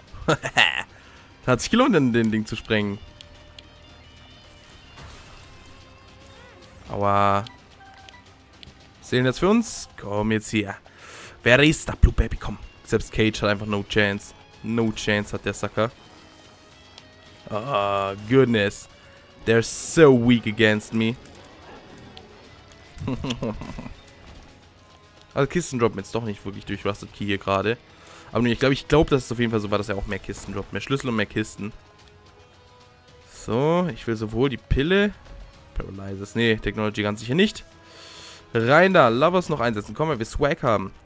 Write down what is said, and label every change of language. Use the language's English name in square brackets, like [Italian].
[German] Das hat sich gelohnt, den Ding zu sprengen. Aua. Seelen jetzt für uns? Komm jetzt hier. Wer ist da, Blue Baby? Komm. Selbst Cage hat einfach [English] no chance. [German] No chance hat der Sucker. [English] Oh, goodness. They're so weak against me. [German] Also Kisten droppen jetzt doch nicht wirklich durch Rusted Key hier gerade. Aber nee, ich glaube, dass es auf jeden Fall so war, dass er auch mehr Kisten droppt. Mehr Schlüssel und mehr Kisten. So, ich will sowohl die Pille. Paralyzes. Nee, Technology ganz sicher nicht. Rein da, Lovers noch einsetzen. Komm, wenn wir Swag haben.